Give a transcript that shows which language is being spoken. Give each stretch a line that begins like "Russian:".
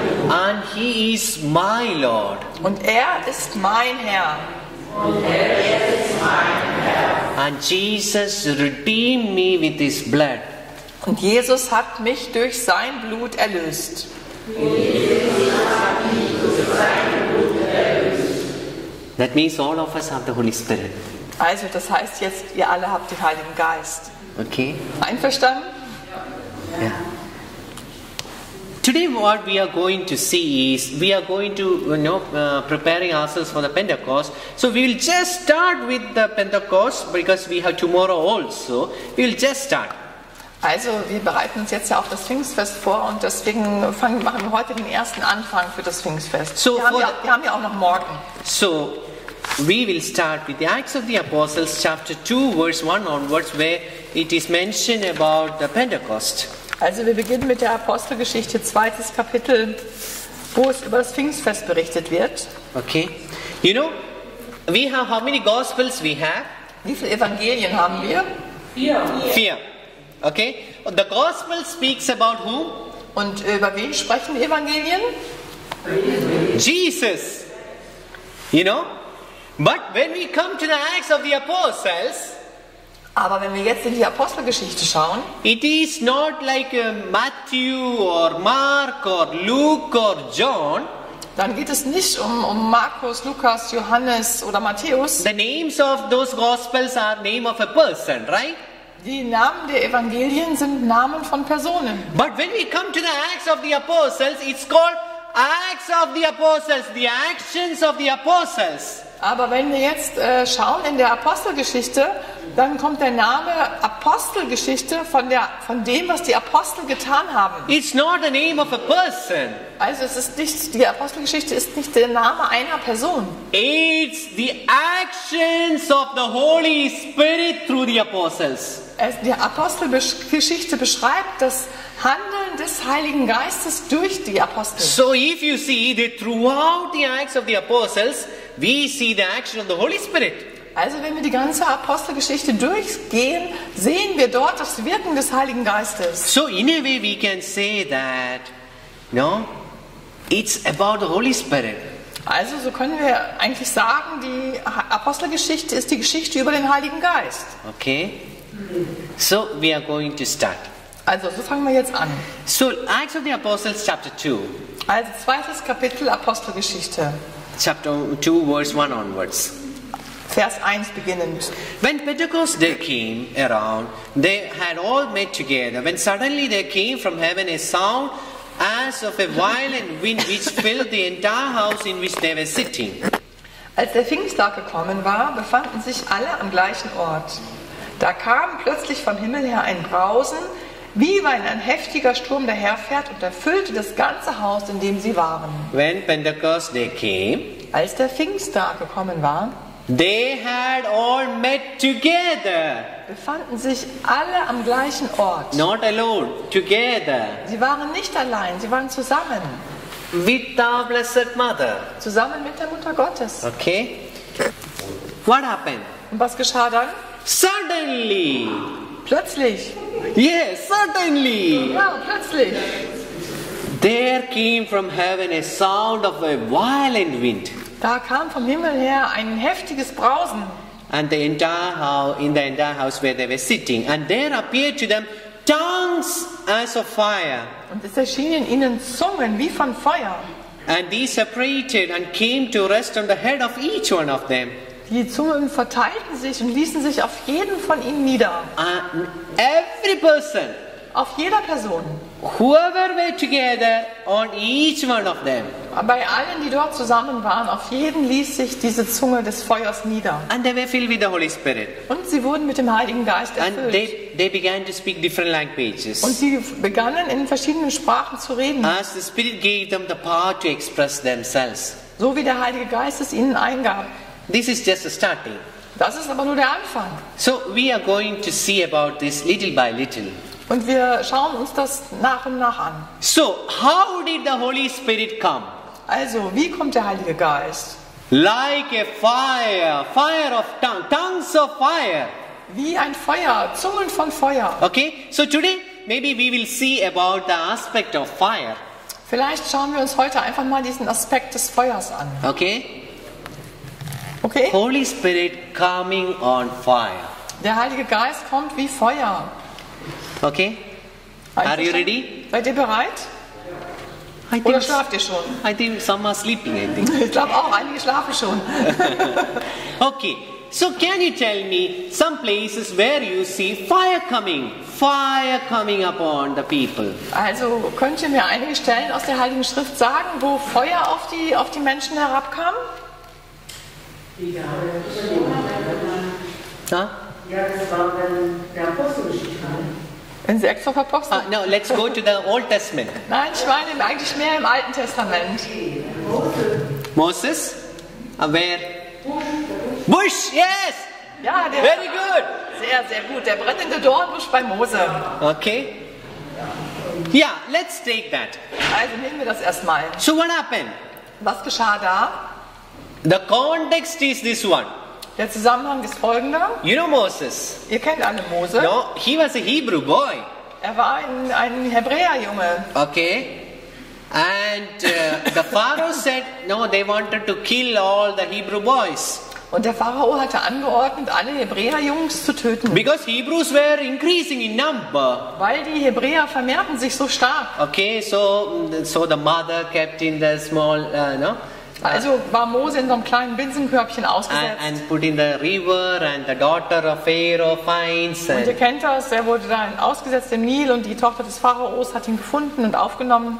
English: And he is my Lord.
German: Und er ist mein Herr. Und er ist mein Herr.
English: And Jesus redeemed me with his blood.
German: Und Jesus hat mich durch sein Blut erlöst.
English: That means all of us have the Holy Spirit.
German: Also, das heißt jetzt, ihr alle habt den Heiligen Geist.
English: Okay.
German: Einverstanden? Ja.
English: Yeah. Today what we are going to see is, we are going to, you know, preparing ourselves for the Pentecost. So we will just start with the Pentecost, because we have tomorrow also. We will just start.
German: Also, wir bereiten uns jetzt ja auf das Pfingstfest vor und deswegen machen wir heute den ersten Anfang für das Pfingstfest. So wir haben ja auch noch morgen.
English: So, we will start with the Acts of the Apostles, chapter 2, verse 1 onwards, where it is mentioned about the Pentecost.
German: Also, wir beginnen mit der Apostelgeschichte, 2. Kapitel, wo es über das Pfingstfest berichtet wird.
English: Okay. You know, we have how many Gospels we have?
German: Wie viele Evangelien haben wir? Vier.
English: Okay, the gospel speaks about whom?
German: Und über wen sprechen Evangelien?
English: Jesus. You know? But when we come to the Acts of the Apostles,
German: aber wenn wir jetzt in die Apostelgeschichte schauen,
English: it is not like Matthew or Mark or Luke or John.
German: Dann geht es nicht um Markus, Lukas, Johannes oder Matthäus.
English: The names of those gospels are name of a person, right?
German: Die Namen der Evangelien sind Namen von Personen.
English: But when we come to the Acts of the Apostles, it's called Acts of the Apostles, the actions of the Apostles.
German: Aber wenn wir jetzt schauen in der Apostelgeschichte, dann kommt der Name Apostelgeschichte von dem, was die Apostel getan haben.
English: It's not the name of a person.
German: Also es ist nicht, die Apostelgeschichte ist nicht der Name einer Person.
English: It's the actions of the Holy Spirit through the apostles.
German: Es, die Apostelgeschichte beschreibt das Handeln des Heiligen Geistes durch die Apostel.
English: So if you see that throughout the Acts of the Apostles, we see the action of the Holy Spirit.
German: Also wenn wir die ganze Apostelgeschichte durchgehen, sehen wir dort das Wirken des Heiligen Geistes.
English: So in a way we can say that, no, it's about the Holy Spirit.
German: Also so können wir eigentlich sagen, die Apostelgeschichte ist die Geschichte über den Heiligen Geist.
English: Okay, so we are going to start.
German: Also so fangen wir jetzt an.
English: So Acts of the Apostles chapter 2.
German: Also 2. Kapitel Apostelgeschichte.
English: Chapter 2 verse 1 onwards.
German: Vers 1 beginnend.
English: When Pentecost day came around, they had all met together. When suddenly there came from heaven a sound as of a violent wind which filled the entire house in which they were sitting.
German: Als der Pfingsttag gekommen war, befanden sich alle am gleichen Ort. Da kam plötzlich vom Himmel her ein Brausen, wie wenn ein heftiger Sturm daherfährt und erfüllte das ganze Haus, in dem sie waren.
English: When Pentecost day came,
German: als der Pfingsttag gekommen war,
English: They had all met together.
German: Befanden sich alle am gleichen Ort.
English: Not alone, together.
German: Sie waren nicht allein, sie waren zusammen.
English: With the Blessed Mother.
German: Zusammen mit der Mutter Gottes.
English: Okay. What happened?
German: Und was geschah dann?
English: Suddenly.
German: Plötzlich.
English: Yes, suddenly.
German: Ja, plötzlich.
English: There came from heaven a sound of a violent wind.
German: Da kam vom Himmel her ein heftiges Brausen.
English: And the entire house, in the entire house where they were sitting, and there appeared to them tongues as of fire.
German: Und es erschienen ihnen Zungen wie von Feuer.
English: And these separated and came to rest on the head of each one of them.
German: Die Zungen verteilten sich und ließen sich auf jeden von ihnen nieder.
English: Every person.
German: Auf jeder Person.
English: Whoever were together on each one of them.
German: Bei allen, die dort zusammen waren, auf jeden ließ sich diese Zunge des Feuers nieder.
English: And they were filled with the Holy Spirit.
German: Und sie wurden mit dem Heiligen Geist erfüllt.
English: And they began to speak different languages.
German: Und sie begannen in verschiedenen Sprachen zu reden.
English: As the Spirit gave them the power to express themselves.
German: So wie der Heilige Geist es ihnen eingab.
English: This is just a starting.
German: Das ist aber nur der Anfang.
English: So we are going to see about this little by little.
German: Und wir schauen uns das nach und nach an.
English: So, how did the Holy Spirit come?
German: Also, wie kommt der Heilige Geist?
English: Like a fire, fire of tongues, tongues of fire.
German: Wie ein Feuer, Zungen von Feuer.
English: Okay, so today, maybe we will see about the aspect of fire.
German: Vielleicht schauen wir uns heute einfach mal diesen Aspekt des Feuers an.
English: Okay? Holy Spirit coming on fire.
German: Der Heilige Geist kommt wie Feuer.
English: Okay. Are you ready?
German: Seid ihr bereit? Oder schlaft ihr schon?
English: I think some are sleeping.
German: Ich glaube auch, einige schlafen schon.
English: Okay. So can you tell me some places where you see fire coming upon the people?
German: Also könnt ihr mir einige Stellen aus der Heiligen Schrift sagen, wo Feuer auf die Menschen herabkam? Ja, das war dann der Apostelgeschichte. In der extra Apostel.
English: No, let's go to the Old Testament.
German: Nein, ich meine eigentlich mehr im Alten Testament.
English: Moses. Where? Bush. Bush, yes.
German: Ja, der.
English: Very good.
German: Sehr, sehr gut. Der brennende Dornbusch bei Mose.
English: Okay.
German: Ja,
English: let's take that.
German: Also nehmen wir das erstmal.
English: So what happened?
German: Was geschah da?
English: The context is this one.
German: Der Zusammenhang ist folgender.
English: You know Moses.
German: Ihr kennt alle Mose.
English: No, he was a Hebrew boy.
German: Er war ein Hebräerjunge.
English: Okay. And the Pharaoh said, no, they wanted to kill all the Hebrew boys.
German: Und der Pharao hatte angeordnet, alle Hebräerjungs zu töten.
English: Because Hebrews were increasing in number.
German: Weil die Hebräer vermehrten sich so stark.
English: Okay, so the mother kept in the small, no?
German: Also war Mose in so einem kleinen Binsenkörbchen ausgesetzt.
English: And put in the river, and the daughter of Pharaoh finds.
German: Und ihr kennt das, er wurde da ausgesetzt im Nil und die Tochter des Pharaos hat ihn gefunden und aufgenommen.